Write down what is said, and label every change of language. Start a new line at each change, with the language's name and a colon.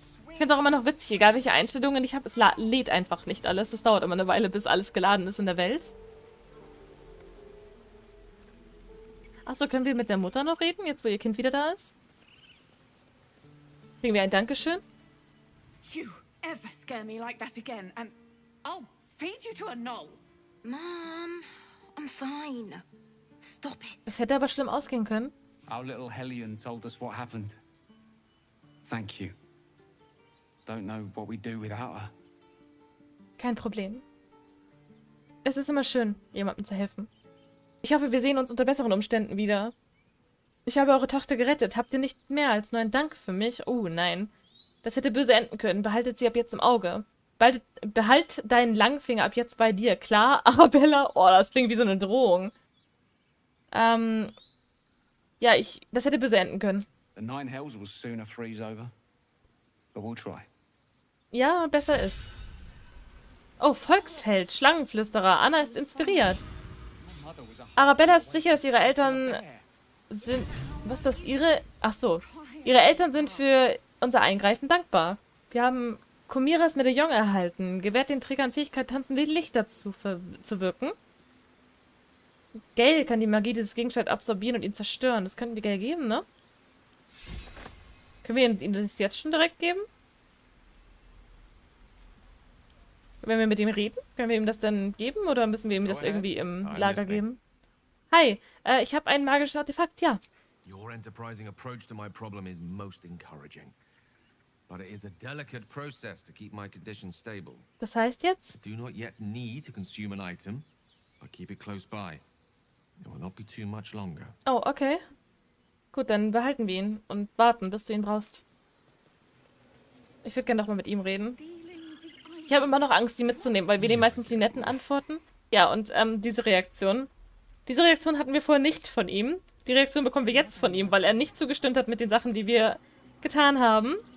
German: Ich finde es auch immer noch witzig, egal welche Einstellungen ich habe, es lädt einfach nicht alles. Es dauert immer eine Weile, bis alles geladen ist in der Welt. Achso, können wir mit der Mutter noch reden, jetzt wo ihr Kind wieder da ist? Kriegen wir ein Dankeschön?
English: You ever scare me like that again, and I'll feed you to a gnoll. Mom, I'm fine. Stop it.
German: Es hätte aber schlimm ausgehen können.
English: Our little Hellion told us what happened. Thank you. Don't know what we do without her.
German: Kein Problem. Es ist immer schön, jemandem zu helfen. Ich hoffe, wir sehen uns unter besseren Umständen wieder. Ich habe eure Tochter gerettet. Habt ihr nicht mehr als nur einen Dank für mich? Oh, nein. Das hätte böse enden können. Behaltet sie ab jetzt im Auge. Behalt deinen Langfinger ab jetzt bei dir. Klar, Arabella? Oh, das klingt wie so eine Drohung. Ja, das hätte böse enden können.
English: The Nine Hells will soon freeze over. But we'll try.
German: Ja, besser ist. Oh, Volksheld, Schlangenflüsterer. Anna ist inspiriert. Arabella ist sicher, dass ihre Eltern sind. Was ist das? Ihre. Ach so. Ihre Eltern sind für unser Eingreifen dankbar. Wir haben Kumiras Medaillon erhalten. Gewährt den Trägern Fähigkeit, tanzen wie Lichter zu wirken. Gale kann die Magie dieses Gegenstands absorbieren und ihn zerstören. Das könnten wir Gale geben, ne? Können wir ihm das jetzt schon direkt geben? Wenn wir mit ihm reden, können wir ihm das dann geben oder müssen wir ihm das irgendwie im Lager geben? Hi, ich habe ein magisches Artefakt, ja.
English: Your enterprising approach to my problem is most encouraging. But it is a delicate process to keep my condition stable.
German: Das heißt jetzt?
English: I do not yet need to consume an item, but keep it close by. It will not be too much longer. Oh, okay.
German: Gut, dann behalten wir ihn und warten, bis du ihn brauchst. Ich würde gerne nochmal mit ihm reden. Ich habe immer noch Angst, ihn mitzunehmen, weil wir nehmen meistens die netten Antworten. Ja, und diese Reaktion. Diese Reaktion hatten wir vorher nicht von ihm. Die Reaktion bekommen wir jetzt von ihm, weil er nicht zugestimmt hat mit den Sachen, die wir getan haben.